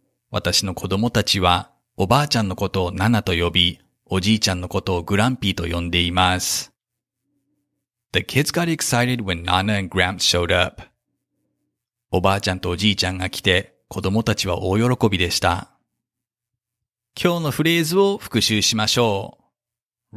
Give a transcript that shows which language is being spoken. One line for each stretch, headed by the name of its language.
Japanese: 私の子供たちはおばあちゃんのことをナナと呼び、おじいちゃんのことをグランピーと呼んでいます。
English: The kids got excited when Nana and Gramps showed up.
Japanese: おばあちゃんとおじいちゃんが来て、子供たちは大喜びでした。今日のフレーズを復習しましょう。